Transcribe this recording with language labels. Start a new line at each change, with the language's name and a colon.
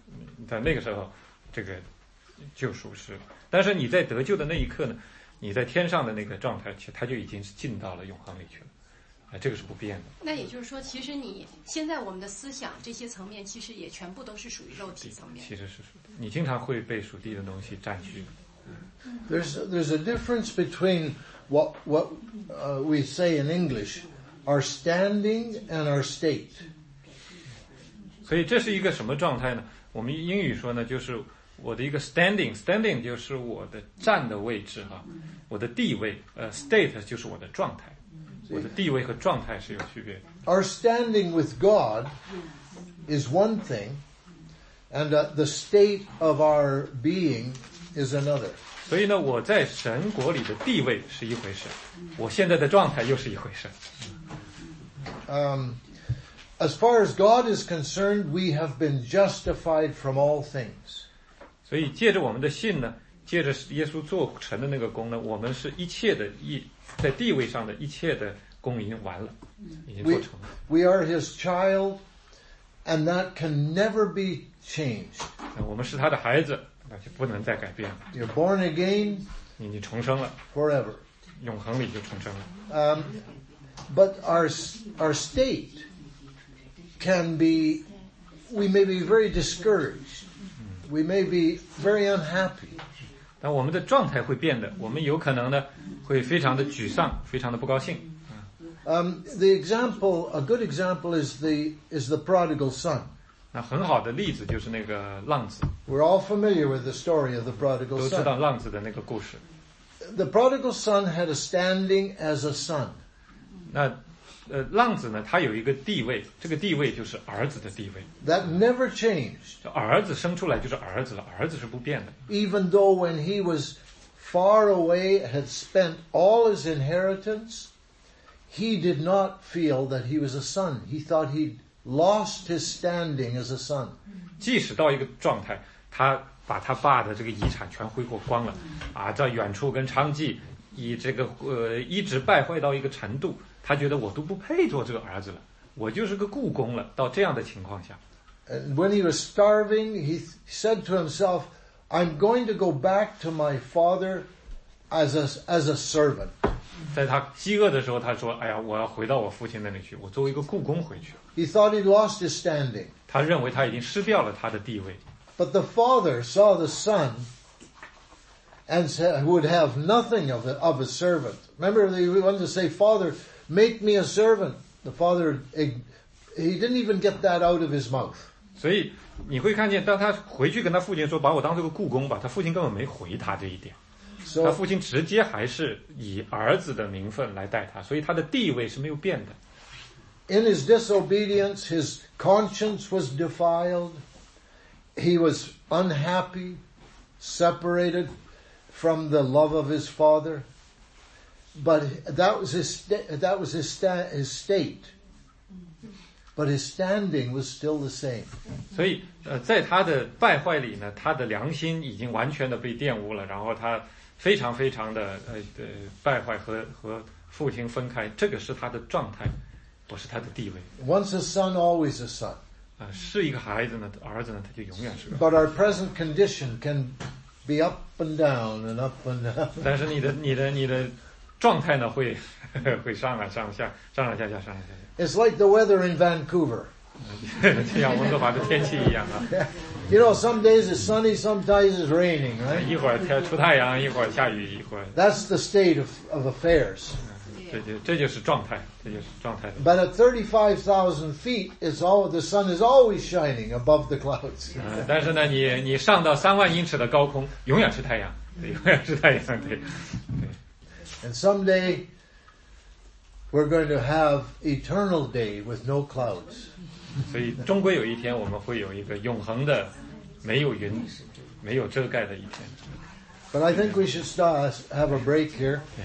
Chinese: 那在那个时候，这个救赎是，但是你在得救的那一刻呢，你在天上的那个状态，他就已经是进到了永恒里去了。这个是不变的。那也就是说，其实你现在我们的思想这些层面，其实也全部都是属于肉体层面。其实是属地，你经常会被属地的东西占据。
English: There's a difference between what we say in English, our standing and our state.
Chinese: 所以这是一个什么状态呢？我们英语说呢，就是我的一个 standing 就是我的站的位置哈，我的地位。 State 就是我的状态，我的地位和状态是有区别的。
English: Our standing with God is one thing, and the state of our being is another.
Chinese: 所以呢，我在神国里的地位是一回事，我现在的状态又是一回事。
English: As far as God is concerned, we have been justified from all things.
Chinese: 所以借着我们的信呢，借着耶稣做成的那个功呢，我们是一切的义，在地位上的一切的功已经完了，已经做成了。
English: We are his child, and that can never be changed.
Chinese: 我们是他的孩子，那就不能再改变了。
English: You're born again.
Chinese: 你已经重生了。
English: Forever.
Chinese: 永恒里就重生了。
English: But our state can be, we may be very discouraged. We may be very unhappy.
Chinese: 但我们的状态会变的，我们有可能呢，会非常的沮丧，非常的不高兴。
English: The example, a good example is the prodigal son.
Chinese: 那很好的例子就是那个浪子。
English: We're all familiar with the story of the prodigal son.
Chinese: 都知道浪子的那个故事。
English: The prodigal son had a standing as a son.
Chinese: 那浪子呢，他有一个地位，这个地位就是儿子的地位。
English: That never changed.
Chinese: 儿子生出来就是儿子了，儿子是不变的。
English: Even though when he was far away, had spent all his inheritance, he did not feel that he was a son. He thought he'd lost his standing as a son.
Chinese: 即使到一个状态，他把他爸的这个遗产全挥霍光了，啊，在远处跟娼妓以这个一直败坏到一个程度。他觉得我都不配做这个儿子了，我就是个雇工了。到这样的情况下
English: ，And when he was starving, he said to himself, "I'm going to go back to my father as a servant."
Chinese: 在他饥饿的时候，他说：“哎呀，我要回到我父亲那里去，我作为一个雇工回去。
English: ”He thought he lost his standing.
Chinese: 他认为他已经失掉了他的地位。
English: But the father saw the son and said, "Would have nothing of a servant." Remember, he wanted to say, "Father." Make me a servant. The father, he didn't even get that out of his mouth.
Chinese: 所以你会看见，当他回去跟他父亲说，把我当做个雇工吧，他父亲根本没回他这一点。
English: So,
Chinese: 他父亲直接还是以儿子的名分来带他，所以他的地位是没有变的。
English: In his disobedience, his conscience was defiled. He was unhappy, separated from the love of his father. But that was his state. But his standing was still the same.
Chinese: 所以，在他的败坏里呢，他的良心已经完全的被玷污了。然后他非常非常的败坏和父亲分开。这个是他的状态，不是他的地位。
English: Once a son, always a son.
Chinese: 是一个孩子呢，儿子呢，他就永远是个。
English: But our present condition can be up and down and up and down.
Chinese: 但是你的状态呢会上来上下上来下下上来下下。
English: It's like the weather in Vancouver.
Chinese: 就像温哥华的天气一样啊。
English: You know, some days it's sunny, sometimes it's raining, right?
Chinese: 一会儿天出太阳，一会儿下雨，一会儿。
English: That's the state of affairs.
Chinese: 这就是状态。
English: But at 35,000 feet, it's all the sun is always shining above the clouds.
Chinese: 但是呢，你上到30,000英尺的高空，永远是太阳，永远是太阳，对。
English: And someday, we're going to have eternal day with no clouds.
Chinese: 所以终归有一天我们会有一个永恒的没有云没有遮盖的一天。
English: But I think we should start, have a break here.